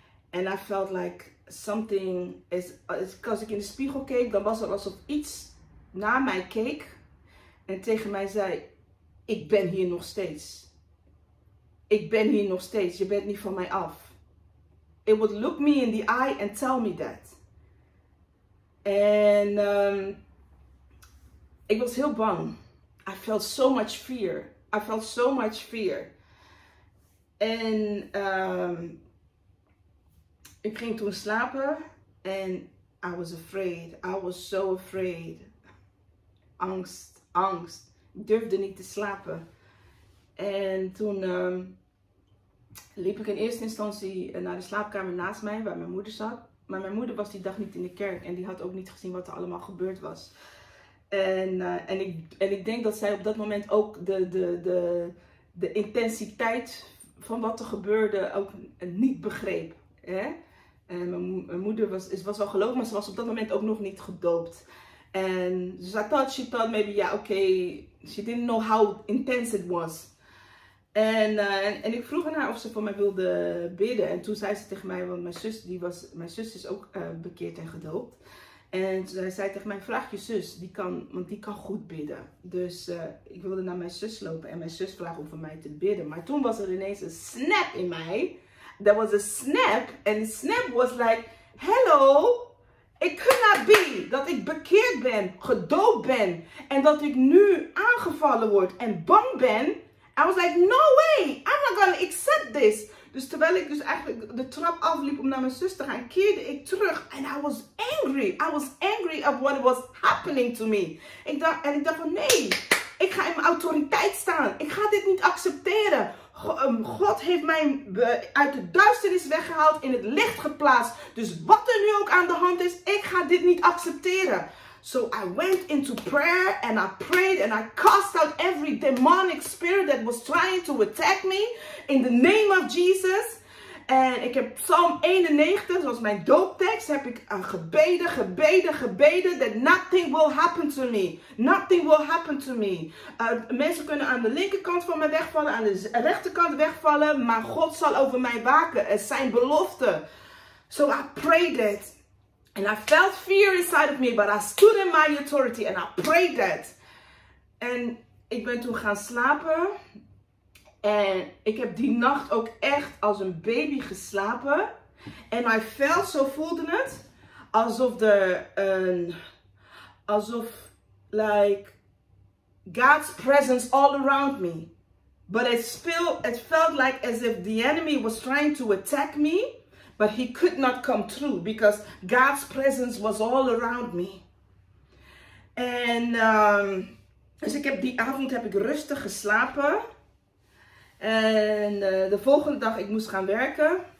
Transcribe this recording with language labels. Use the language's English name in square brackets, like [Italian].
[Dutch] En [English] I felt like something, [Dutch] als ik in de spiegel keek, dan was het alsof iets naar mij keek. En tegen mij zei, ik ben hier nog steeds. Ik ben hier nog steeds, je bent niet van mij af. [English] It would look me in the eye and tell me that. [Dutch] En ik was heel bang. [English] I felt so much fear. I felt so much fear. [Dutch] En ik ging toen slapen. [English] En I was afraid. I was so afraid. Angst. [Dutch] Ik durfde niet te slapen. En toen liep ik in eerste instantie naar de slaapkamer naast mij, waar mijn moeder zat. Maar mijn moeder was die dag niet in de kerk. En die had ook niet gezien wat er allemaal gebeurd was. En ik denk dat zij op dat moment ook de intensiteit van wat er gebeurde ook niet begreep. Hè? En mijn moeder was wel geloofd, maar ze was op dat moment ook nog niet gedoopt. En dus [English] I thought she thought maybe, yeah, okay, she didn't know how intense it was. [Dutch] En ik vroeg haar of ze voor mij wilde bidden. En toen zei ze tegen mij, want mijn zus is ook bekeerd en gedoopt. En zij zei tegen mij, vraag je zus, die kan goed bidden. Dus ik wilde naar mijn zus lopen en mijn zus vragen om voor mij te bidden. Maar toen was er ineens een snap in mij. [English] There was a snap. [Dutch] En de snap was [English] like, hello, it could not be [Dutch] dat ik bekeerd ben, gedoopt ben. En dat ik nu aangevallen word en bang ben. [English] I was like, no way, I'm not gonna accept this. [Dutch] Dus terwijl ik dus eigenlijk de trap afliep om naar mijn zus te gaan, keerde ik terug. [English] En I was angry. I was angry at what was happening to me. [Dutch] Ik dacht van nee, ik ga in mijn autoriteit staan. Ik ga dit niet accepteren. God heeft mij uit de duisternis weggehaald, in het licht geplaatst. Dus wat er nu ook aan de hand is, ik ga dit niet accepteren. [English] So I went into prayer and I prayed and I cast out every demonic spirit that was trying to attack me in the name of Jesus. [Dutch] En ik heb Psalm 91, zoals mijn dooptekst, heb ik gebeden [English] that nothing will happen to me. Nothing will happen to me. [Dutch] Mensen kunnen aan de linkerkant van mij wegvallen, aan de rechterkant wegvallen, maar God zal over mij waken. Het is zijn belofte. [English] So I prayed it. And I felt fear inside of me, but I stood in my authority and I prayed that. [Dutch] En ik ben toen gaan slapen. En ik heb die nacht ook echt als een baby geslapen. En [English] I felt, [Dutch] zo voelde het, alsof er een, alsof, [English] like, God's presence all around me. But it still, it felt like as if the enemy was trying to attack me, but he could not come through because God's presence was all around me. [Dutch] En dus ik heb die avond heb ik rustig geslapen. En de volgende dag, ik moest gaan werken.